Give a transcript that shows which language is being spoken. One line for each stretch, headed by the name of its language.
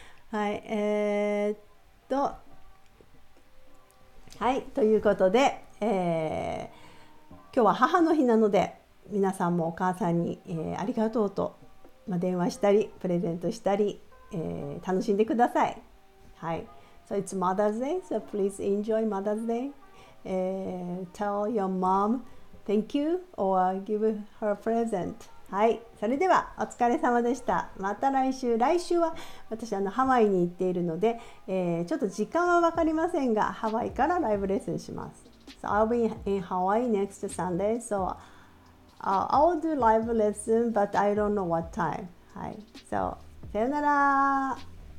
Japanese: はい、はい、ということで、今日は母の日なので、皆さんもお母さんに、ありがとうと、ま、電話したり、プレゼントしたり、楽しんでください。はい。
English: So it's Mother's Day, so please enjoy Mother's Day. Tell your mom thank you or give her a present.
Japanese: はい、それではお疲れ様でした。また来週。来週は私ハワイに行っているので、ちょっと時間は分かりませんが、ハワイからライブレッスンします。
English: So I'll be in Hawaii next Sunday, so I'll do live lesson, but I don't know what time. はい、So, さよなら。